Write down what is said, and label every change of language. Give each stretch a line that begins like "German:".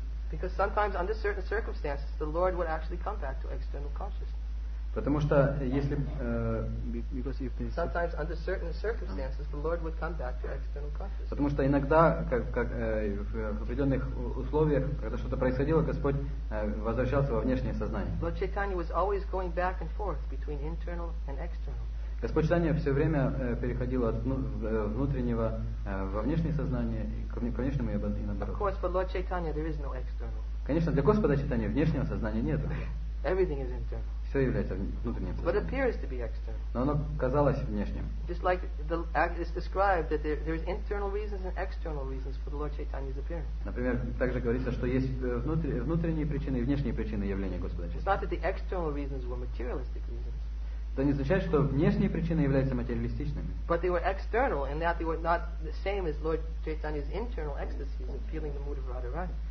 English: Because sometimes, under certain circumstances, the Lord would actually come back to external consciousness.
Russian: Потому что если
English: sometimes under certain circumstances, the Lord would come back to external consciousness.
Russian: Потому что иногда, как в определенных условиях, когда что-то происходило, Господь возвращался во внешнее сознание.
English: Lord Chaitanya was always going back and forth between internal and external.
Russian: Господь Читания все время переходил от внутреннего во внешнее сознание, к внешнему и наоборот.
English: Of course, for Lord Chaitanya, there is no external.
Russian: Конечно, для Господа Читания внешнего сознания нет.
English: Everything is internal.
Russian: Все является внутренним сознанием.
English: But appears to be external.
Russian: Но оно казалось внешним.
English: Just like the act is described that there is internal reasons and external reasons for the Lord Chaitanya's appearance.
Russian: Например, также говорится, что есть внутренние причины и внешние причины явления Господа Читания.
English: It's not that the external reasons were materialistic reasons.
Russian: Это не означает, что внешние причины являются материалистичными.
English: But they were external in that they were not the same as Lord Chaitanya's internal ecstasies of feeling the mood of Radharani.